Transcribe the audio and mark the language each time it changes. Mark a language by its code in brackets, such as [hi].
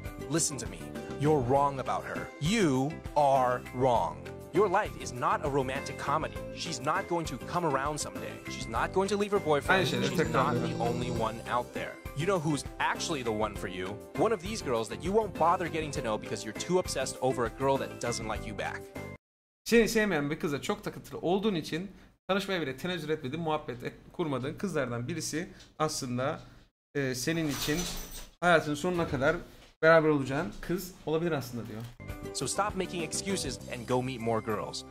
[en] Listen to me. You're wrong about her. You are wrong. Your life is not a romantic comedy. She's not going to come around someday. She's not going to leave her boyfriend. Aynen, she's not the only one out there. You know who's actually the one for you? One of these girls that you won't bother getting to know because you're too obsessed over a girl that doesn't like you back. [tr] Seni sevmeyen bir kızla çok takıntılı olduğun için tanışmaya bile tenezzül etmedin, muhabbet kurmadın kızlardan birisi aslında senin için hayatın sonuna kadar beraber olacağın kız olabilir aslında diyor. [en] So stop making excuses and go meet more girls.